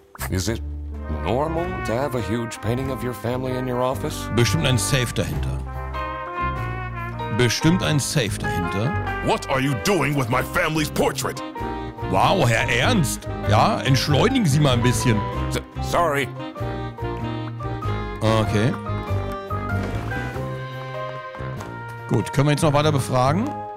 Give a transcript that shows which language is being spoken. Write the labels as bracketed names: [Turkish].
[English] Is it normal to have a huge painting of your family in your office? [German] Bestimmt ein Safe dahinter. Bestimmt ein Safe dahinter. [English] What are you doing with my family's portrait? [German] Wow, Herr Ernst. Ja, entschleunigen Sie mal ein bisschen. [English] Sorry. Okay. [German] Gut, können wir jetzt noch weiter befragen?